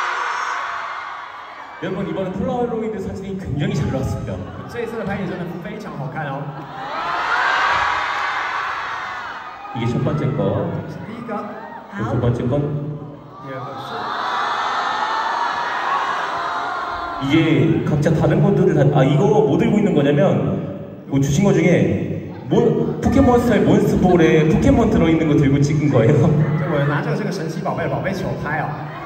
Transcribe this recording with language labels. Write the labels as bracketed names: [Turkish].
[Korean] 2번입니다。 [Chinese] 2号。来，我们看一下2号是什么礼物。여러분 [Korean] 이번에 폴라로이드 사진이 굉장히 잘 나왔습니다. [Chinese] 这一次的拍摄真的非常好看哦。 [Korean] 이게 첫 번째 거. [Chinese] 第一个。 [Korean] 두 번째 건. 이게 각자 다른 것들을 다, 아 이거 뭐 들고 있는 거냐면 뭐 주신 거 중에. 포켓몬스터의 몬스터볼에 포켓몬 들어있는 거 들고 찍은 거예요. [Chinese] 我拿着这个神奇宝贝的宝贝球拍啊。